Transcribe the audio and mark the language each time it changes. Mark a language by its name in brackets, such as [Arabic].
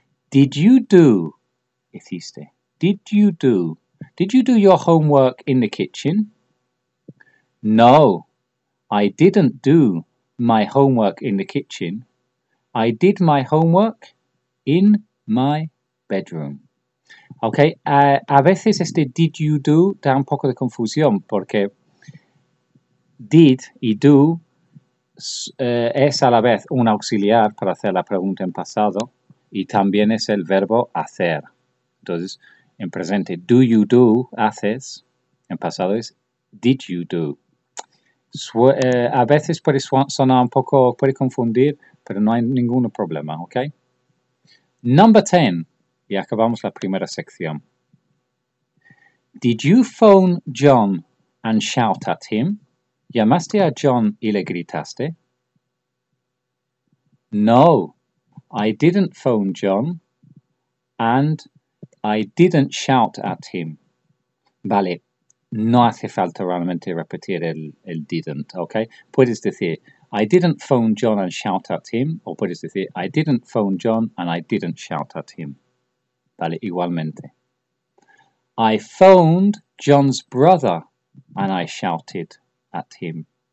[English] Did you do... [Spanish] Hiciste. [English] Did you do your homework in the kitchen? No, I didn't do my homework in the kitchen. I did my homework in my bedroom. [Spanish] Ok, a veces este [English] did you do [Spanish] da un poco de confusión porque did y do es a la vez un auxiliar para hacer la pregunta en pasado y también es el verbo hacer. Entonces, en presente, [English] do you do, [Spanish] haces, en pasado es, [English] did you do. [Spanish] A veces puede sonar un poco, puede confundir, pero no hay ningún problema, ¿ok? [English] Number 10, [Spanish] y acabamos la primera sección. [English] Did you phone John and shout at him? [Spanish] ¿Llamaste a John y le gritaste? [English] No, I didn't phone John and I didn't shout at him. [Spanish] Vale, no hace falta realmente repetir el didn't, ¿ok? Puedes decir, [English] I didn't phone John and shout at him. [Spanish] O puedes decir, [English] I didn't phone John and I didn't shout at him. [Spanish] Vale, igualmente. [English] I phoned John's brother and I shouted at him.